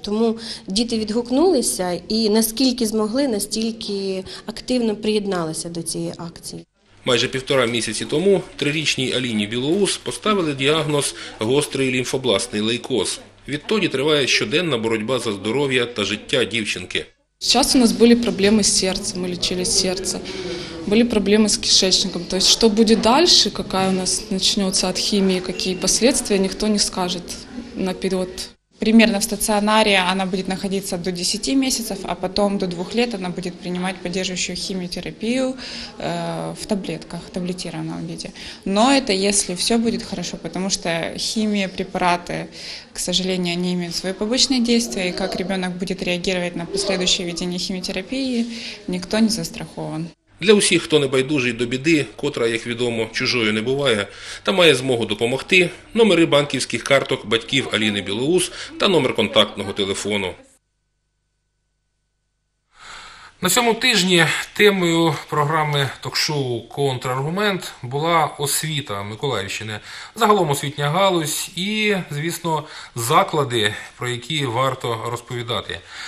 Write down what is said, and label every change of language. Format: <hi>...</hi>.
<uk>Тому діти відгукнулися і наскільки змогли, настільки активно приєдналися до цієї акції. Майже півтора місяці тому трирічній Аліні Білоус поставили діагноз «гострий лімфобластний лейкоз». Відтоді триває щоденна боротьба за здоров'я та життя дівчинки.</uk> <ru>Сейчас у нас были проблемы с сердцем, мы лечили сердце, были проблемы с кишечником. То есть что будет дальше, какая у нас начнется от химии, какие последствия, никто не скажет наперед. Примерно в стационаре она будет находиться до 10 месяцев, а потом до 2 лет она будет принимать поддерживающую химиотерапию в таблетках, в таблетированном виде. Но это если все будет хорошо, потому что химия, препараты, к сожалению, они имеют свои побочные действия, и как ребенок будет реагировать на последующее введение химиотерапии, никто не застрахован.</ru> <uk>Для усіх, хто не байдужий до біди, котра, як відомо, чужою не буває, та має змогу допомогти, номери банківських карток батьків Аліни Білоус та номер контактного телефону. На цьому тижні темою програми ток-шоу «Контраргумент» була освіта Миколаївщини, загалом освітня галузь і, звісно, заклади, про які варто розповідати.</uk>